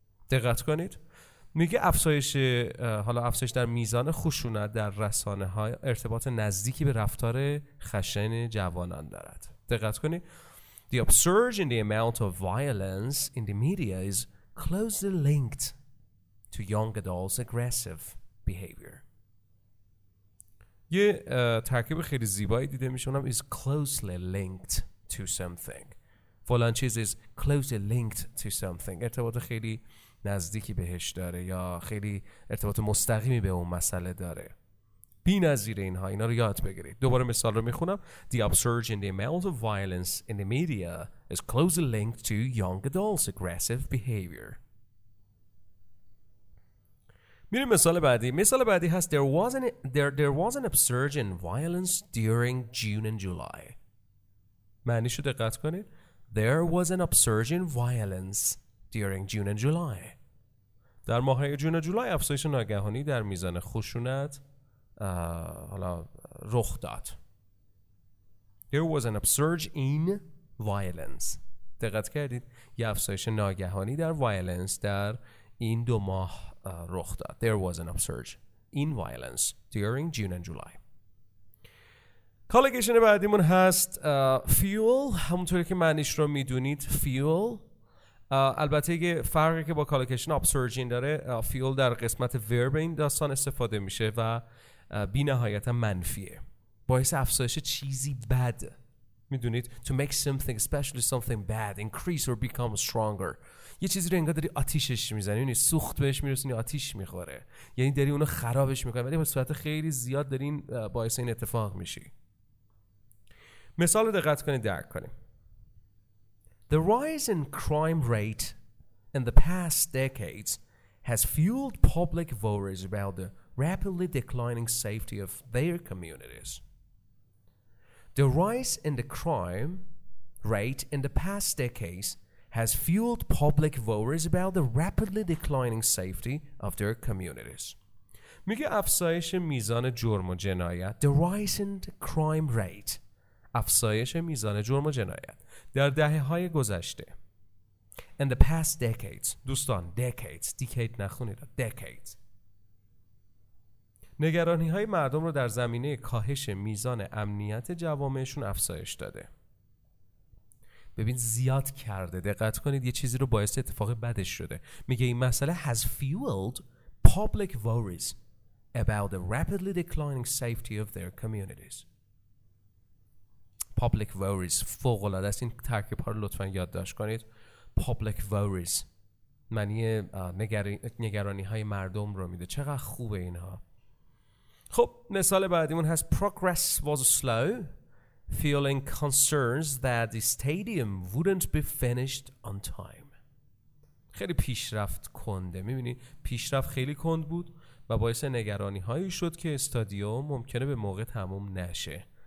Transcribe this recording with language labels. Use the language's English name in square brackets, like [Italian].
[Persian] دقت کنید، میگه افزایش حالا افزایش در میزان خشونت در رسانه های ارتباط نزدیکی به رفتار خشن جوانان دارد. دقت کنید، [English] the upsurge in the amount of violence in the media is closely linked to young adults' aggressive behavior. [Persian] یه ترکیب خیلی زیبایی دیده میشه، اونم [English] is closely linked to something. [Persian] فلان چیز [English] is closely linked to something. [Persian] ارتباط خیلی نزدیکی بهش داره، یا خیلی ارتباط مستقیمی به اون مسئله داره. بی نظیر اینها، اینا رو یاد بگیرید. دوباره مثال رو میخونم. [English] The upsurge in the amount of violence in the media is closely linked to young adults' aggressive behavior. [Persian] میریم مثال بعدی. مثال بعدی هست [English] there was an upsurge in violence during June and July. [Persian] معنیشو دقت کنید. [English] There was an upsurge in violence during June and July. [Persian] در ماهای جون و جولای افزایش ناگهانی در میزان خشونت حالا رخ داد. [English] There was an upsurge in violence. [Persian] دقت کردید؟ یه افزایش ناگهانی در violence در این دو ماه رخ داد. [English] There was an upsurge in violence during June and July. [Persian] کالکیشن بعدیمون هست fuel. همونطوری که معنیش رو میدونید fuel، البته یه فرقی که با کالکیشن upsurge in داره، fuel در قسمت verb این داستان استفاده میشه و بی نهایتا منفیه، باعث افزایش چیزی بد میدونید، [English] to make something especially something bad increase or become stronger. [Persian] یه چیزی رو انگار داری آتیشش میزنی، یعنی سوخت بهش میرسونی، آتیش میخوره، یعنی داری اونو خرابش میکنی، ولی به صورت خیلی زیاد داری باعث این اتفاق میشی. مثال رو دقت کنید درک کنید. [English] The rise in crime rate in the past decades has fueled public worries about the rapidly declining safety of their communities. The rise in the crime rate in the past decades has fueled public worries about the rapidly declining safety of their communities. [Persian] میگه افزایش میزان جرم و جنایت, [English] the rise in the crime rate, [Persian] افزایش میزان جرم و جنایت در دهه های گذشته, [English] in the past decades, [Persian] دوستان decades, decade نخونید, decades, نگرانی های مردم رو در زمینه کاهش میزان امنیت جوامعشون افزایش داده. ببین زیاد کرده, دقت کنید, یه چیزی رو باعث اتفاق بدش شده. میگه این مسئله [English] has fueled public worries about the rapidly declining safety of their communities. Public worries, [Persian] فوق العاده است. این ترکیب ها رو لطفا یاد داشت کنید. [English] Public worries [Persian] معنی نگرانی های مردم رو میده. چقدر خوبه اینها. خب مثال بعدیمون هست, [English] progress was slow, fueling concerns that the stadium wouldn't be finished on time. [Persian] خیلی پیشرفت کنده, میبینی پیشرفت خیلی کند بود و باعث نگرانی هایی شد که استادیوم ممکنه به موقع تموم نشه.